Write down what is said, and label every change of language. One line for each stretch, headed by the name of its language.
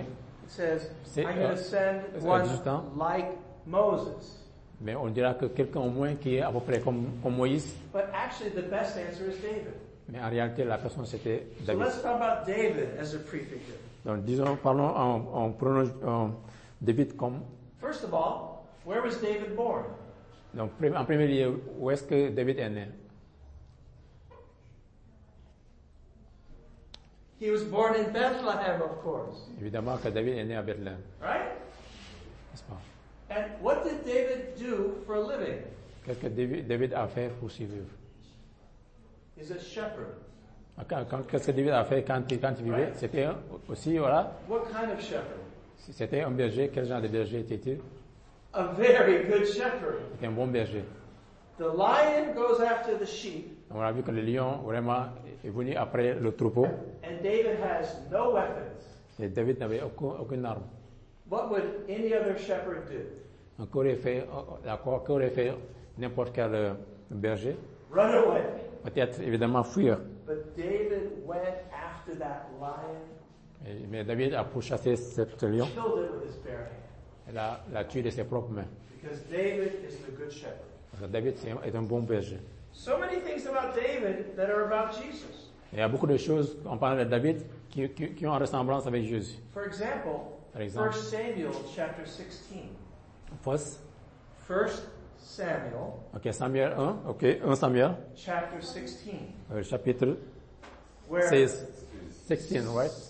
English: it says, c'est, I'm going to send one like Moses.
French: Mais on dira que quelqu'un au moins qui est à peu près comme, comme Moïse.
English: But actually the best answer is David.
French: Mais en réalité, la personne c'était David.
English: So let's talk about David as a prefigure.
French: Donc disons, parlons en prenant David comme.
English: First of all, where was David born?
French: Donc en premier lieu, où est-ce que David est né?
English: He was born in Bethlehem, of course.
French: Évidemment que David est né à Bethléem.
English: Right?
French: N'est-ce pas?
English: And what did David do for a living?
French: Qu'est-ce que David a fait pour survivre?
English: He's a shepherd.
French: Qu'est-ce que David a fait quand il vivait?
English: Right.
French: C'était aussi, voilà.
English: What kind of shepherd?
French: C'était un berger. Quel genre de berger était-il?
English: A very good shepherd.
French: C'était un bon berger.
English: The lion goes after the sheep.
French: On a vu que le lion, vraiment, est venu après le troupeau.
English: And David has no weapons.
French: Et David n'avait aucune arme.
English: What would any other shepherd do?
French: Qu'aurait fait n'importe quel berger?
English: Run away.
French: Peut-être, évidemment, fuir.
English: But David went after that lion.
French: Mais David a pourchassé cet lion.
English: Killed it with his bare hand.
French: L'a tué de ses propres mains.
English: Because David is the good shepherd.
French: Parce que David est un bon berger.
English: So many things about David that are about Jesus.
French: Il y a beaucoup de choses en parlant de David qui ont une ressemblance avec Jésus.
English: For example,
French: par exemple,
English: 1 Samuel chapter 16. Fosse. 1 Samuel. OK, Samuel 1. OK, 1 Samuel. Chapter 16.
French: Chapitre 16, right?